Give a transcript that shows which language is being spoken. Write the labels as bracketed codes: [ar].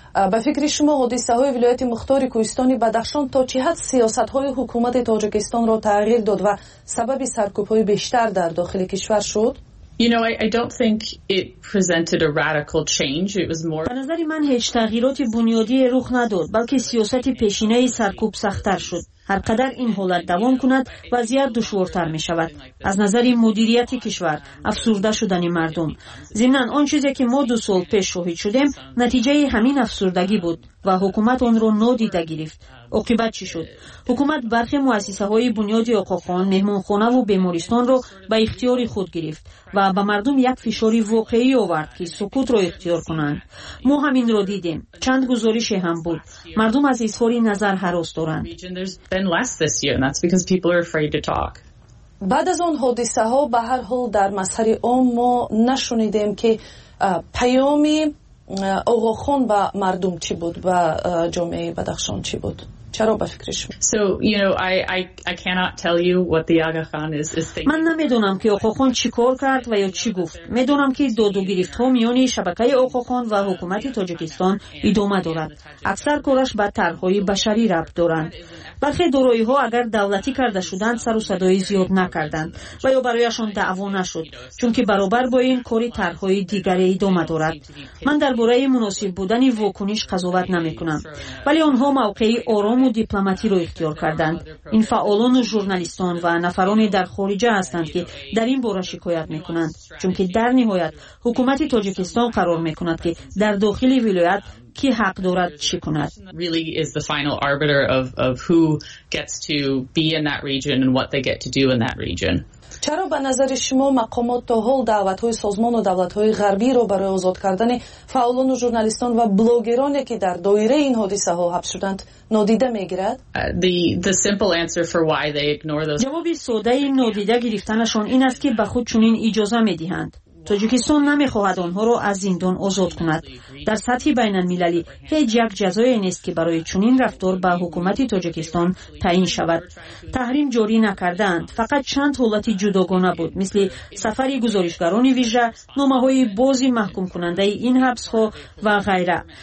[fa] به فکر شما حادثه های ولایت مختار کوهستان بدخشان تا چه حد سیاست های حکومت تاجیکستان را تغییر داد و سبب سرکوب های بیشتر در داخل کشور شد؟ [en] You know, I don't think it presented a radical change. It was more. [fa] به نظر من هیچ تغییراتی بنیادی رخ نداد، بلکه سیاست پیشینه سرکوب سخت‌تر شد. هرقدر این حالت دوام کند، وضعیت دشوارتر می شود. از نظر مدیریت کشور، افسرده شدن مردم. ضمناً آن چیزی که ما 2 سال پیش شاهد شدیم، نتیجه همین افسردگی بود و حکومت آن را نادیده گرفت. عاقبت چی شد؟ حکومت برخی مؤسسه های بنیاد آقاخان، مهمانخانه و بیمارستان را به اختیار خود گرفت و به مردم یک فشاری واقعی آورد که سکوت را اختیار کنند. ما همین را دیدیم. چند گزارش هم بود. مردم از اظهار نظر هراس دارند. بعد از آن حادثه ها به هر حال در مسیر عام ما نشنیدیم که پیامی آقاخان به مردم چی بود و جامعه بدخشان چی بود؟ چرا به فکرش؟ [en] So you know I cannot tell you what the Aga Khan is thinking. [fa] من نمیدونم که آقاخان چی کار کرد و یا چی گفت. میدونم که دادو گرفت ها میان شبکه آقاخان و حکومت تاجیکستان ادامه دارد. اکثر کارش به طرح‌های بشری ربط دارند. برخی دارایی ها اگر دولتی کرده شدند سر و صدای زیاد نکردند و یا برایشان دعوا نشد، چون که برابر با این کاری طرح‌های دیگری ادامه دارد. من درباره مناسب بودن واکنش قضاوت نمی‌کنم، ولی آنها موقعی آرام و دیپلماتی را اختیار کردند. این فعالان و ژورنالیستان و نفران در خارجه هستند که در این باره شکایت می‌کنند، چون که در نهایت حکومت تاجیکستان قرار می‌کند که در داخل ولایت کی حق دارد چی کند. [en] Really is the final arbiter of who gets to be in that region and what they get to do in that region. [fa] چرا به نظر شما مقامات تا حال دعوت‌های سازمان و دولت‌های غربی را برای آزاد کردن فعالان و ژورنالیستان و بلاگرانی که در دایره این حادثه ها حبس شدند نادیده می‌گیرد؟ [en] The simple answer for why they ignore those. [fa] جواب ساده این نادیده گرفتنشان این است که به خود چنین اجازه می‌دهند. تاجیکستان نمیخواهد آنها را از زندان آزاد کند. در سطح بین المللی هیچ یک جزایی نیست که برای چنین رفتار به حکومت تاجیکستان تعیین شود. تحریم جاری نکردند، فقط چند حالت جداگانه بود، مثل سفر گزارشگران ویژه، نامه های بازی محکوم کننده این حبس ها و غیره.